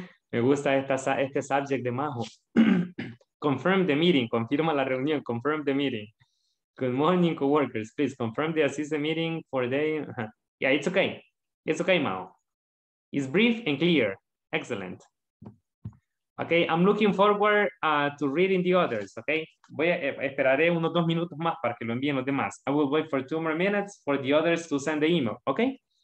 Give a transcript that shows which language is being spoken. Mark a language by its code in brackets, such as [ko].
[es] Me gusta este subject de Majo. [en] Confirm the meeting. [es] Confirma la reunión. Confirm the meeting. [en] Good morning, co-workers. Please confirm the assistant meeting for the day. Yeah, it's okay. It's okay, Mao. It's brief and clear. Excellent. Okay, I'm looking forward to reading the others, okay? [es] Voy a esperaré unos dos minutos más para que lo envíen los demás. [en] I will wait for 2 more minutes for the others to send the email, okay?